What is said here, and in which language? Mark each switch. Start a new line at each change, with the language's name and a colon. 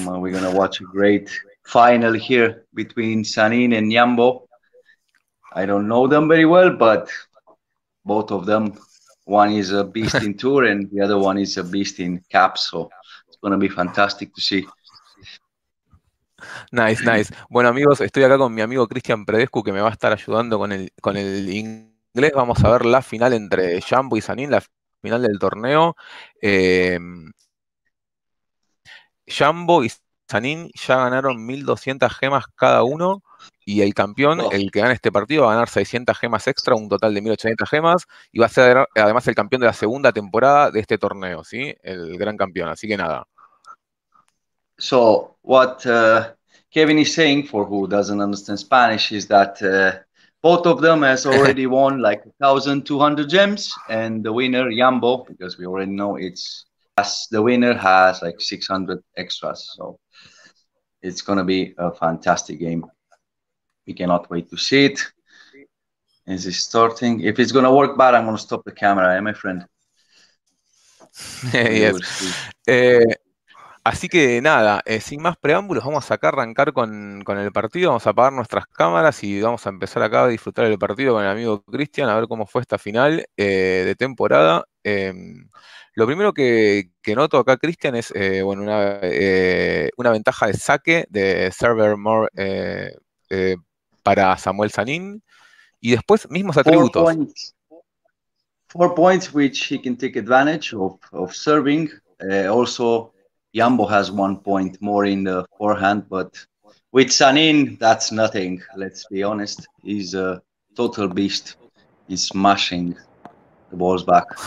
English: We're gonna watch a great final here between Sanin and Yambo. I don't know them very well, but both of them, one is a beast in tour and the other one is a beast in caps. So it's gonna be fantastic to see. Nice, nice.
Spanish: Bueno, amigos, estoy acá con mi amigo Cristian Predescu, que me va a estar ayudando con el inglés. Vamos a ver la final entre Jumbo y Sanin, la final del torneo. Jumbo y Sanin ya ganaron 1.200 gemas cada uno, y el campeón, el que gana este partido, va a ganar 600 gemas extra, un total de 1.800 gemas, y va a ser además el campeón de la segunda temporada de este torneo, ¿sí? El gran campeón, así que nada.
English: So what Kevin is saying, for who doesn't understand Spanish, is that both of them has already won like 1,200 gems, and the winner Yambo, because we already know it's as the winner has like 600 extras. So it's gonna be a fantastic game. We cannot wait to see it. Is it starting? If it's gonna work bad, I'm gonna stop the camera, my friend. We will see. Yes.
Spanish: Así que nada, sin más preámbulos, vamos acá a arrancar con el partido, vamos a apagar nuestras cámaras y vamos a empezar acá a disfrutar el partido con el amigo Cristian, a ver cómo fue esta final de temporada. Lo primero que noto acá, Cristian, es bueno, una ventaja de saque de Server More para Samuel Sanín. Y después, mismos
English: Four
Spanish: atributos.
English: points. 4 points, which he can take advantage of serving. Also, Yambo has 1 point more in the forehand, but with Sanin, that's nothing. Let's be honest. He's a total beast in smashing the balls back.